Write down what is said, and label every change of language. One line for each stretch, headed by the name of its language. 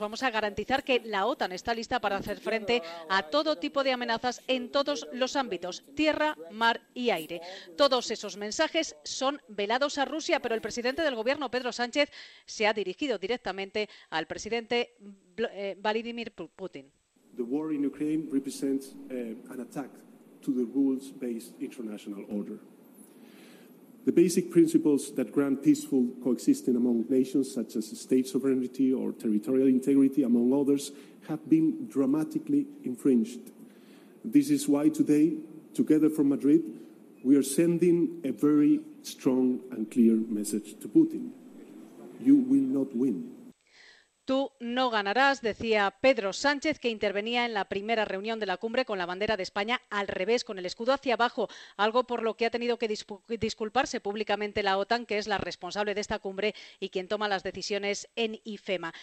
Spanish: Vamos a garantizar que la OTAN está lista para hacer frente a todo tipo de amenazas en todos los ámbitos, tierra, mar y aire. Todos esos mensajes son velados a Rusia, pero el presidente del gobierno, Pedro Sánchez, se ha dirigido directamente al presidente Vladimir Putin.
English: The war in Ukraine represents an attack to the rules-based international order. The basic principles that grant peaceful coexistence among nations, such as state sovereignty or territorial integrity, among others, have been dramatically infringed. This is why today, together from Madrid, we are sending a very strong and clear message to Putin. You will not win.
Spanish: Tú no ganarás, decía Pedro Sánchez, que intervenía en la primera reunión de la cumbre con la bandera de España al revés, con el escudo hacia abajo, algo por lo que ha tenido que disculparse públicamente la OTAN, que es la responsable de esta cumbre y quien toma las decisiones en IFEMA.